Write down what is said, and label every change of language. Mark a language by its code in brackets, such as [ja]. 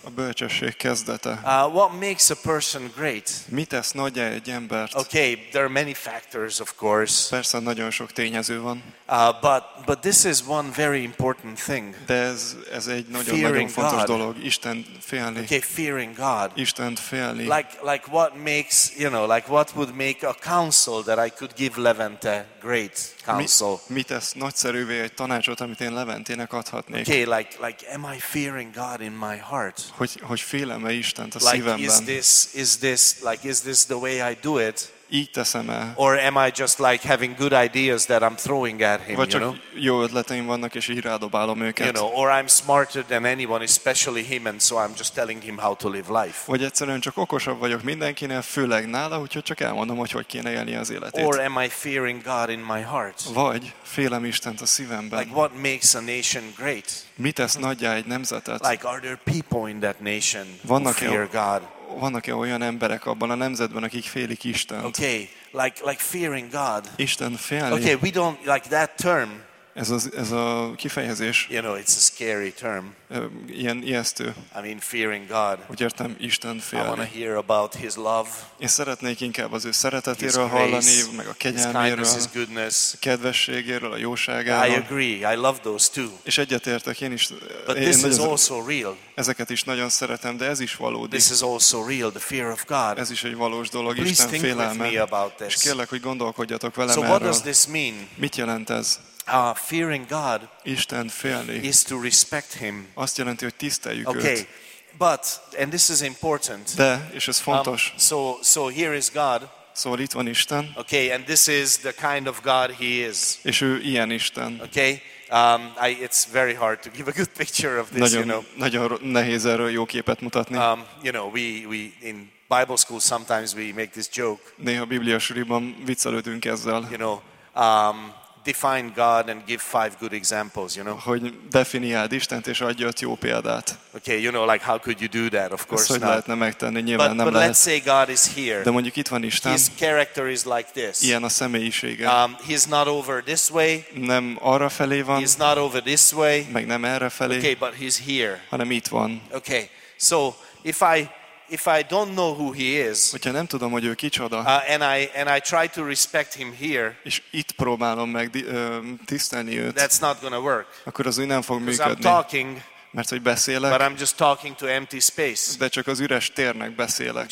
[hu] A bölcsesség kezdete. [en] What makes a person great? [hu] Mit tesz nagyjá egy embert? [en] Okay, there are many factors, of course. [hu] Persze nagyon sok tényező van. [en] But this is one very important thing. [hu] De ez egy nagyon fontos dolog, Isten félni. [en] Okay, fearing God. [hu] Isten félni. [en] Like what makes, you know, like what would make a counsel that I could give Levente great counsel? [hu] Mit tesz nagyszerűvé egy tanácsot, amit én Leventének adhatnék? [en] Okay, like am I fearing God in my heart? [hu] Hogy félem-e Istent a [en] like, [hu] szívemben? [en] Is this the way I do it? [hu] Így teszem-e? [en] Or am I just like having good ideas that I'm throwing at him? you [hu] csak [en] know? [hu] Jó ötleteim vannak és így rádobálom őket. [en] You know, or I'm smarter than anyone, especially him, and so I'm just telling him how to live life. [hu] Vagy egyszerűen csak okosabb vagyok mindenkinél, főleg nála, úgyhogy csak elmondom, hogy kéne élni az életét. [en] Or am I fearing God in my heart? [hu] Vagy félem Istent a szívemben. [en] Like what makes a nation great? [hu] Mit tesz nagyjá egy nemzetet? [en] Like are there people in that nation who fear God? [hu] Vannak-e olyan emberek abban a nemzetben, akik félik Istent? [en] Okay, like fearing God. [hu] Isten félni. [en] Okay, we don't like that term. [hu] Ez a kifejezés. [en] You know, it's a scary term. [hu] Ilyen ijesztő. [en] I mean, fearing God. [hu] Úgy értem, Isten félni. [en] I want to hear about His love. [hu] Én szeretnék inkább az ő szeretetéről hallani, meg a kegyelméről, [en] His goodness, [hu] a kedvességéről, a jóságáról. [en] I agree. I love those too. [hu] És egyetértek én is. [en] But this is also real. [hu] Ezeket is nagyon szeretem, de ez is valódi. [en] This is also real, the fear of God. [hu] Ez is egy valós dolog, Isten félelme. [en] Please think with me about this. [hu] És kérlek, hogy gondolkodjatok velem erről. [en] So what does this mean? [hu] Mit jelent ez? [en] Fearing God, [hu] Isten félni, [en] is to respect Him. [hu] Azt jelenti, hogy tiszteljük [en] okay. [hu] Őt. [en] But and this is important. [hu] De és ez fontos. [en] So here is God. [hu] Szóval itt van Isten. [en] Okay, and this is the kind of God He is. [hu] És ő ilyen Isten. [en] Okay, it's very hard to give a good picture of this. [hu] Nagyon, [en] you know. [hu] Nagyon nehéz erről jó képet mutatni. [en] You know, we in Bible school sometimes we make this joke. [hu] Néha bibliasuliban viccelődünk ezzel. [en] You know. Define God and give 5 good examples, you know. [hu] Hogy definiáld Istent és adj 5 jó példát. [en] Okay, you know, like how could you do that? Of course not. [hu] Ezt lehetne megtenni, nyilván [en] but, [hu] nem [en] but [hu] lehet. [en] But let's say God is here. [hu] De mondjuk itt van Isten. [en] His character is like this. [hu] Ilyen a személyisége. [en] He's not over this way. [hu] Nem arra felé van. [en] He's not over this way. [hu] Meg nem erre felé. [en] Okay, but he's here. [hu] Hanem itt van. [en] Okay. So if I don't know who he is, [hu] hogyha nem tudom, hogy ő kicsoda, [en] and I try to respect him here, [hu] és itt próbálom meg tisztelni őt, [en] that's not gonna work. [hu] Akkor az úgy nem fog működni. [en] Because I'm talking, [hu] mert hogy beszélek, [en] but I'm just talking to empty space. De csak az üres térnek beszélek.